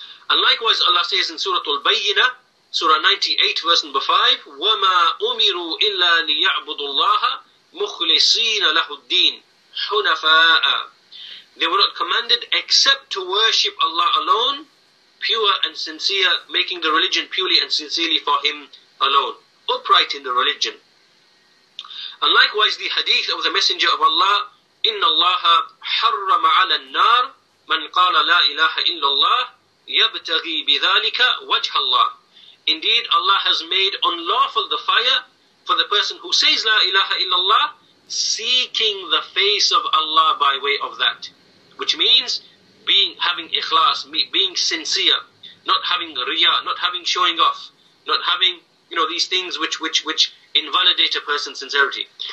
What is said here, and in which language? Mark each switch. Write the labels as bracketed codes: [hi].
[en] And likewise, Allah says in Surah Al-Bayyinah, Surah 98, verse number 5, [ar] وَمَا أُمِرُوا إِلَّا لِيَعْبُدُ اللَّهَ مُخْلِصِينَ لَهُ الدِّينَ حُنَفَاءَ. [en] They were not commanded except to worship Allah alone, pure and sincere, making the religion purely and sincerely for Him alone, upright in the religion. And likewise, the hadith of the Messenger of Allah, [ar] إِنَّ اللَّهَ حَرَّمَ عَلَى النَّارِ مَنْ قَالَ لَا إِلَهَ إِلَّا اللَّهِ يَبْتَغِي بِذَلِكَ وَجْهَ اللَّهِ. [en] Indeed, Allah has made unlawful the fire for the person who says La ilaha illallah, seeking the face of Allah by way of that. Which means having ikhlas, being sincere, not having riya, not having showing off, not having these things which invalidate a person's sincerity.